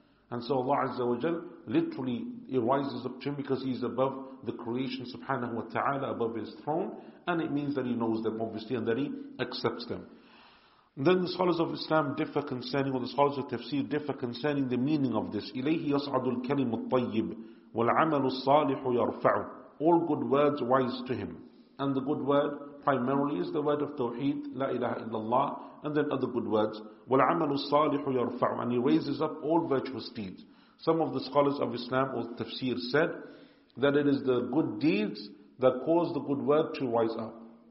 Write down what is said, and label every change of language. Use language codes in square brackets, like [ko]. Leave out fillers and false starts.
[en] And so Allah Azza wa Jal literally rises up to him because he is above the creation subhanahu wa ta'ala, above his throne, and it means that he knows them obviously and that he accepts them. Then the scholars of Islam differ concerning, or the scholars of tafsir differ concerning the meaning of this. [ar] إليه يصعد الكلم الطيب والعمل الصالح يرفعه. [en] All good words rise to him. And the good word primarily is the word of Tawheed, La ilaha illallah, and then other good words. [ar] وَالْعَمَلُ الصَّالِحُ يَرْفَعُ. [en] And he raises up all virtuous deeds. Some of the scholars of Islam or tafsir said that it is the good deeds that cause the good word to rise up.